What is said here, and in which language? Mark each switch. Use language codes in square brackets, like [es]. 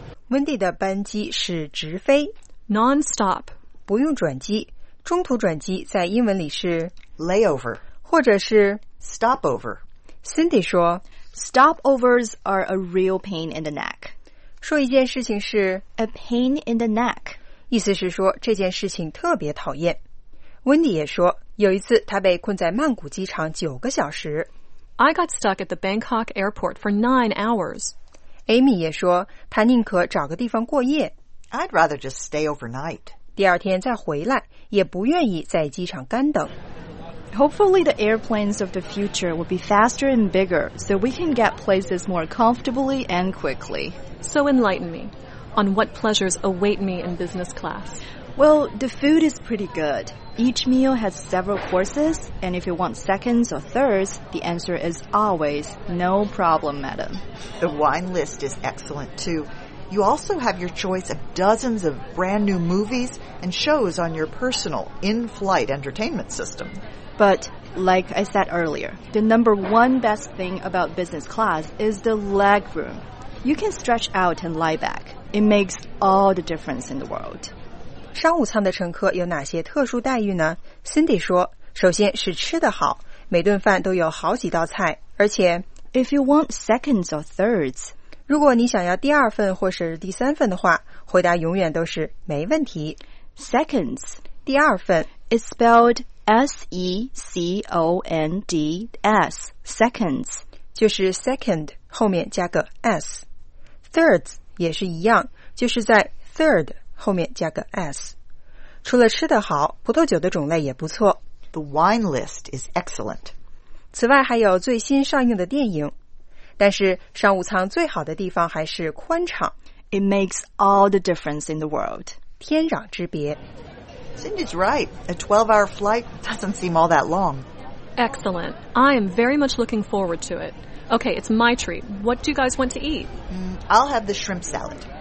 [zh] Wendy 的班机是直飞 [en] Non-stop. [zh] 不用转机。中途转机在英文里是 [en] Layover. [zh] 或者是 [en] Stopover. [zh] Cindy 说 [en] Stopovers are a real pain in the neck. [zh] 说一件事情是 [en] A pain in the neck. [zh] 意思是说这件事情特别讨厌。 Wendy 也说有一次他被困在曼谷机场9个小时。 [en] I got stuck at the Bangkok airport for 9 hours. [zh] Amy 也说他宁可找个地方过夜。 [en] I'd rather just stay overnight. [zh] 第二天再回来也不愿意在机场干等。 [en] Hopefully the airplanes of the future will be faster and bigger so we can get places more comfortably and quickly. So enlighten me. On what pleasures await me in business class? Well, the food is pretty good. Each meal has several courses, and if you want seconds or thirds, the answer is always no problem, madam. The wine list is excellent, too. You also have your choice of dozens of brand new movies and shows on your personal in-flight entertainment system. But, like I said earlier, the number one best thing about business class is the leg room. You can stretch out and lie back.It makes all the difference in the world. [zh] 商务舱的乘客有哪些特殊待遇呢？ Cindy 说，首先是吃得好，每顿饭都有好几道菜，而且 [en] If you want seconds or thirds， [zh] 如果你想要第二份或是第三份的话，回答永远都是没问题。 [en] Seconds， [zh] 第二份 [en] It's spelled S-E-C-O-N-D-S， Seconds [zh] 就是 second 后面加个 S， Thirds 也是一样，就是在 third 后面加个 S。除了吃得好，葡萄酒的种类也不错。 [en] The wine list is excellent. [zh] 此外还有最新上映的电影。但是商务舱最好的地方还是宽敞。 [en] It makes all the difference in the world. [zh] 天壤之别。 [en] Cindy's right. A 12-hour flight doesn't seem all that long. Excellent. I am very much looking forward to it. Okay, it's my treat. What do you guys want to eat? I'll have the shrimp salad.